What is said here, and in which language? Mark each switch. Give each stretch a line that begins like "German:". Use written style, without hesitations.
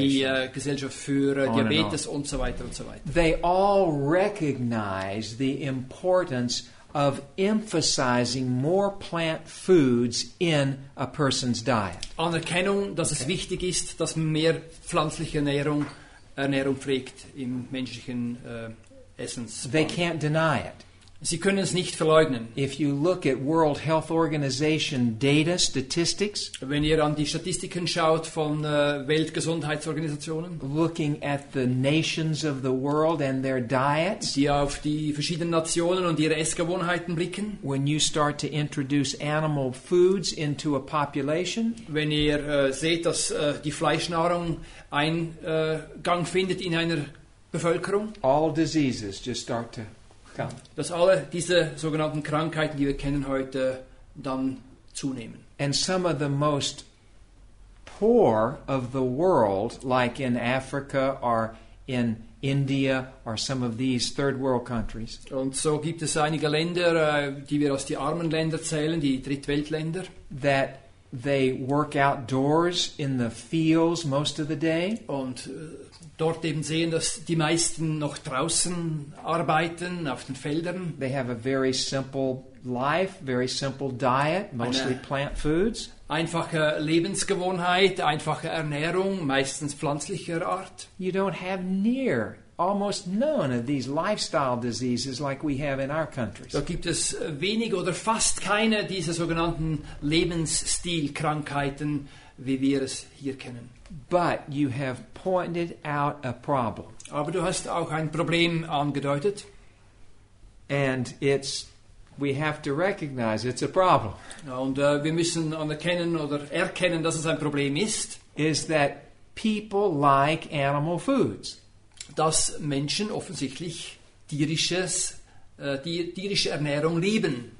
German: Die Gesellschaft für Diabetes und so weiter und so weiter.
English: They all recognize the importance of emphasizing more plant foods in a person's diet.
German: Anerkennung, dass es wichtig ist, dass man mehr pflanzliche Ernährung pflegt im menschlichen Essens.
English: They can't deny it.
German: Sie können es nicht verleugnen.
English: If you look at World Health Organization data, statistics,
German: wenn ihr an die Statistiken schaut von Weltgesundheitsorganisationen,
English: looking at the nations of the world and their diets,
German: die auf die verschiedenen Nationen und ihre Essgewohnheiten blicken,
English: when you start to introduce animal foods into a population,
German: wenn ihr seht, dass die Fleischnahrung Eingang findet in einer Bevölkerung,
English: all diseases just start to come.
German: Dass alle diese sogenannten Krankheiten, die wir kennen heute, dann zunehmen.
English: And some of the most poor of the world, like in Africa or in India or some of these third world countries.
German: Und so gibt es einige Länder, die wir als die armen Länder zählen, die Drittweltländer,
English: that they work outdoors in the fields most of the day.
German: Und dort eben sehen, dass die meisten noch draußen arbeiten, auf den Feldern.
English: They have a very simple life, very simple diet, mostly plant foods.
German: Einfache Lebensgewohnheit, einfache Ernährung, meistens pflanzlicher Art.
English: You don't have near, almost none of these lifestyle diseases like we have in our countries.
German: Da gibt es wenig oder fast keine dieser sogenannten Lebensstilkrankheiten, wie wir es hier kennen.
English: But you have pointed out a problem.
German: Aber du hast auch ein Problem angedeutet.
English: And it's, we have to recognize it's a problem.
German: Und wir müssen anerkennen oder erkennen, dass es ein Problem ist.
English: Is that people like animal foods.
German: Dass Menschen offensichtlich tierische Ernährung lieben.